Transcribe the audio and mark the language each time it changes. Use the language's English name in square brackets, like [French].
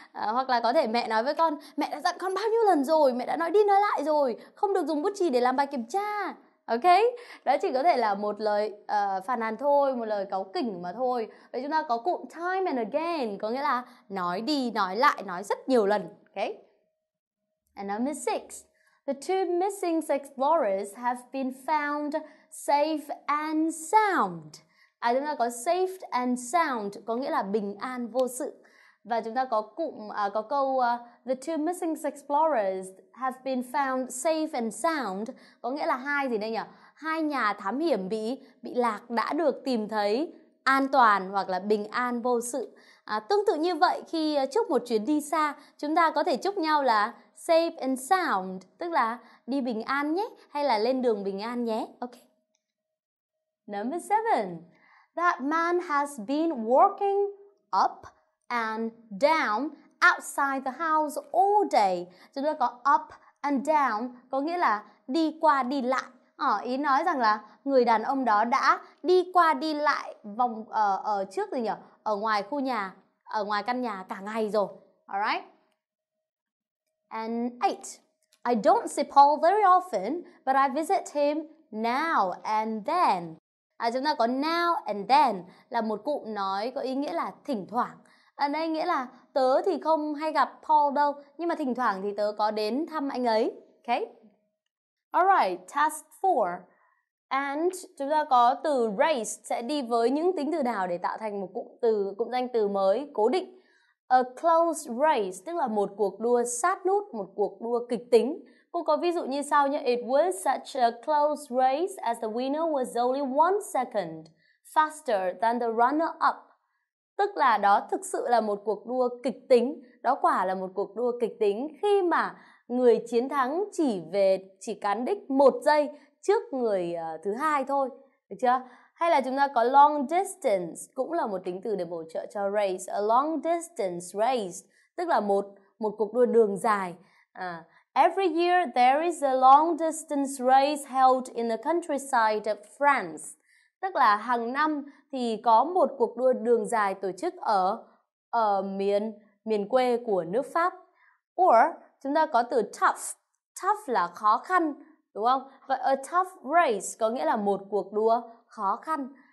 [Vietnamese] Hoặc là có thể mẹ nói với con, mẹ đã dặn con bao nhiêu lần rồi, mẹ đã nói đi nói lại rồi, không được dùng bút chì để làm bài kiểm tra. Ok, đó chỉ có thể là một lời phàn nàn thôi, một lời cáu kỉnh mà thôi. Vậy chúng ta có cụm [English] time and again, [Vietnamese] có nghĩa là nói đi, nói lại, nói rất nhiều lần. Ok. [English] And number 6, the two missing explorers have been found safe and sound. [Vietnamese] À, chúng ta có [English] safe and sound, [Vietnamese] có nghĩa là bình an, vô sự. Và chúng ta có cụm, có câu [English] the two missing explorers have been found safe and sound, [Vietnamese] có nghĩa là hai gì đây nhỉ? Hai nhà thám hiểm bị lạc đã được tìm thấy an toàn hoặc là bình an vô sự. Tương tự như vậy, khi chúc một chuyến đi xa, chúng ta có thể chúc nhau là [English] safe and sound, [Vietnamese] tức là đi bình an nhé, hay là lên đường bình an nhé. Ok. [English] Number 7, that man has been walking up and down outside the house all day. [Vietnamese] Chúng ta có [English] up and down, [Vietnamese] có nghĩa là đi qua đi lại. Ý nói rằng là người đàn ông đó đã đi qua đi lại vòng ở trước gì nhỉ? Ở ngoài khu nhà, ở ngoài căn nhà cả ngày rồi. [English] Alright. And 8. I don't see Paul very often, but I visit him now and then. [Vietnamese] Chúng ta có [English] now and then [Vietnamese] là một cụm nói có ý nghĩa là thỉnh thoảng. Ở đây nghĩa là tớ thì không hay gặp Paul đâu, nhưng mà thỉnh thoảng thì tớ có đến thăm anh ấy. Okay. [English] Alright, task 4. And [Vietnamese] chúng ta có từ race sẽ đi với những tính từ nào để tạo thành một cụm danh từ mới cố định. [English] A close race, [Vietnamese] tức là một cuộc đua sát nút, một cuộc đua kịch tính. Cô có ví dụ như sau nhé. [English] It was such a close race as the winner was only 1 second faster than the runner-up. [Vietnamese] Tức là đó thực sự là một cuộc đua kịch tính, đó quả là một cuộc đua kịch tính khi mà người chiến thắng chỉ cán đích 1 giây trước người thứ hai thôi, được chưa? Hay là chúng ta có [English] long distance, [Vietnamese] cũng là một tính từ để bổ trợ cho race. [English] A long distance race, [Vietnamese] tức là một cuộc đua đường dài. [English] Every year there is a long distance race held in the countryside of France. [Vietnamese] Tức là hàng năm thì có một cuộc đua đường dài tổ chức ở miền quê của nước Pháp. Or, chúng ta có từ tough. Tough là khó khăn, đúng không? Vậy [English] a tough race [Vietnamese] có nghĩa là một cuộc đua khó khăn.